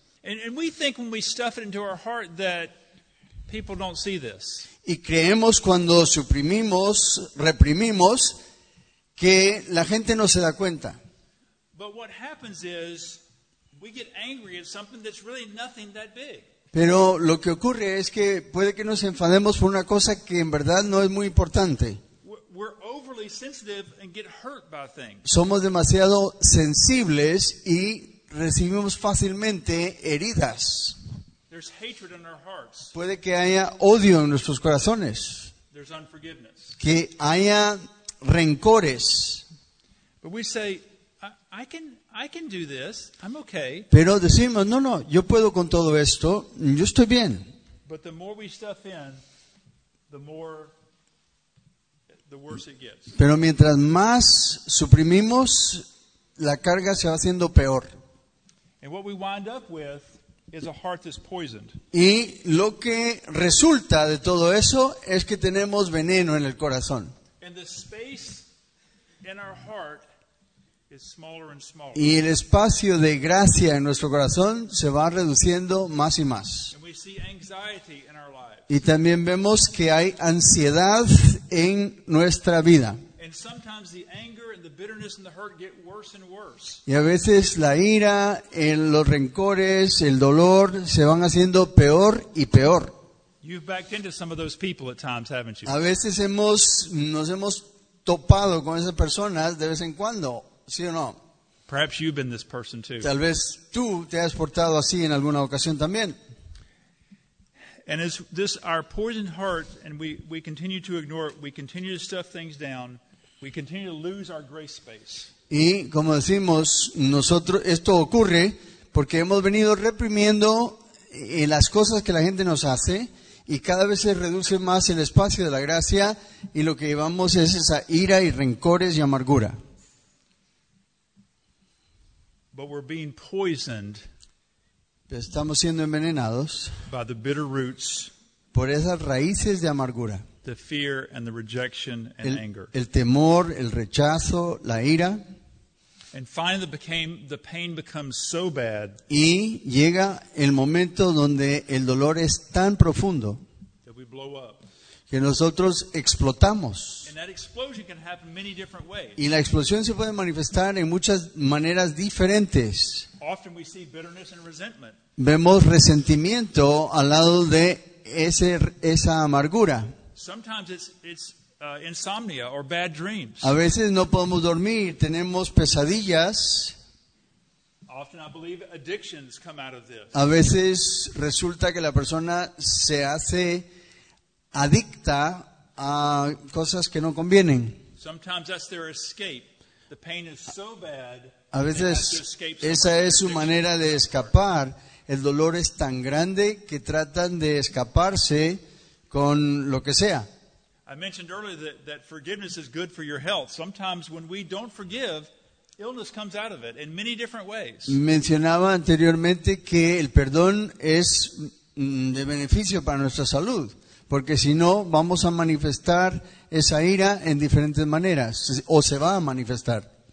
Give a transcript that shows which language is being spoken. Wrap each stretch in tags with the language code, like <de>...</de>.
<en>And we think when we stuff it into our heart that people don't see this.</en> <es>Y creemos cuando suprimimos, reprimimos, que la gente no se da cuenta.</es> <en>But what happens is we get angry at something that's really nothing that big.</en> <es>Pero lo que ocurre es que puede que nos enfademos por una cosa que en verdad no es muy importante.</es> <en>We're overly sensitive and get hurt by things.</en> <es>Somos demasiado sensibles y recibimos fácilmente heridas.</es> <en>There's hatred in our hearts.</en> <es>Puede que haya odio en nuestros corazones.</es> <en>There's unforgiveness.</en> <es>Que haya rencores.</es> <en>But we say, I can do this. I'm okay.</en> <es>Pero decimos, no, yo puedo con todo esto, yo estoy bien.</es> <en>But the more we stuff in, the more the worse it gets.</en> <es>Pero mientras más suprimimos, la carga se va haciendo peor.</es> <en>And what we wind up with is a heart that's poisoned.</en> <es>Y lo que resulta de todo eso es que tenemos veneno en el corazón.</es> <en>And the space in our heart is smaller and smaller.</en> <es>Y el espacio de gracia en nuestro corazón se va reduciendo más y más.</es> <en>And we see anxiety in our lives.</en> <es>Y también vemos que hay ansiedad en nuestra vida.</es> <en>And sometimes the anger and the bitterness and the hurt get worse and worse.</en> <es>Y a veces la ira, los rencores, el dolor se van haciendo peor y peor.</es> <en>You've backed into some of those people at times, haven't you?</en> <es>A veces nos hemos topado con esas personas de vez en cuando. ¿Sí o no?</es> <en>Perhaps you've been this person too.</en> <es>Tal vez tú te has portado así en alguna ocasión también.</es> <en>And as this our poisoned heart, and we continue to ignore it, we continue to stuff things down, we continue to lose our grace space.</en> <es>Y como decimos nosotros, esto ocurre porque hemos venido reprimiendo las cosas que la gente nos hace, y cada vez se reduce más el espacio de la gracia, y lo que llevamos es esa ira y rencores y amargura.</es> <en>But we're being poisoned.</en> <es>Estamos siendo envenenados</es> <en>by the bitter roots,</en> <es>por esas raíces de amargura.</es> <en>The fear and the rejection and anger.</en> <es>El temor, el rechazo, la ira.</es> <en>And finally the pain becomes so bad.</en> <es>Y llega el momento donde el dolor es tan profundo</es> <en>that we blow up.</en> <es>Que nosotros explotamos.</es> <en>And that explosion can happen many different ways.</en> <es>Y la explosión se puede manifestar en muchas maneras diferentes.</es> <en>Often we see bitterness and resentment.</en> <es>Vemos resentimiento al lado de esa amargura.</es> <en>Sometimes it's insomnia or bad dreams.</en> <es>A veces no podemos dormir, tenemos pesadillas.</es> <en>Often I believe addictions come out of this.</en> <es>A veces resulta que la persona se hace adicta a cosas que no convienen.</es> <en>Sometimes that's their escape. The pain is so bad.</en> <es>A veces esa es su manera de escapar. El dolor es tan grande que tratan de escaparse con lo que sea.</es> <en>I mentioned earlier that forgiveness is good for your health. Sometimes when we don't forgive, illness comes out of it in many different ways.</en> <es>Mencionaba anteriormente que el perdón es de beneficio para nuestra salud. Porque si no, vamos a manifestar esa ira en diferentes maneras, o se va a manifestar.</es>